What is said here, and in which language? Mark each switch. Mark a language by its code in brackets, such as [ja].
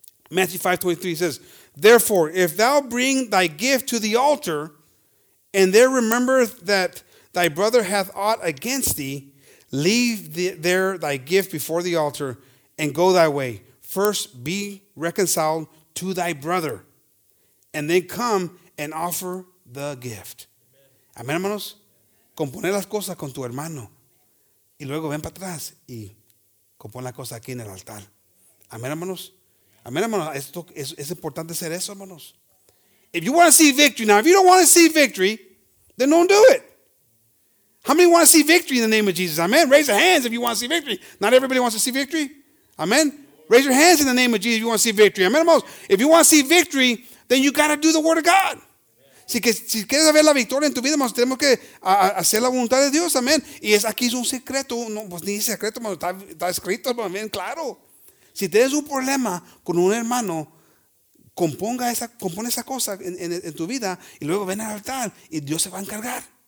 [en] Matthew 5:23 says, therefore, if thou bring thy gift to the altar and there remember that thy brother hath aught against thee, leave there thy gift before the altar and go thy way. First be reconciled to thy brother and then come and offer the gift. [es] Amen, amen, hermanos. Componer las cosas con tu hermano. Y luego ven para atrás y compon las cosas aquí en el altar. Amén, hermanos. Amén, hermanos. Esto es importante hacer eso, hermanos. [en] If you want to see victory. Now, if you don't want to see victory, then don't do it. How many want to see victory in the name of Jesus? Amen. Raise your hands if you want to see victory. Not everybody wants to see victory. Amen. Raise your hands in the name of Jesus if you want to see victory. [es] Amén, hermanos. [en] If you want to see victory, then you got to do the word of God. [es] Si quieres ver la victoria en tu vida, tenemos que hacer la voluntad de Dios, amén. Y aquí es un secreto, no, pues ni secreto, está escrito, amén, claro. Si tienes un problema con un hermano, compone esa cosa en tu vida y luego ven al altar y Dios se va a encargar.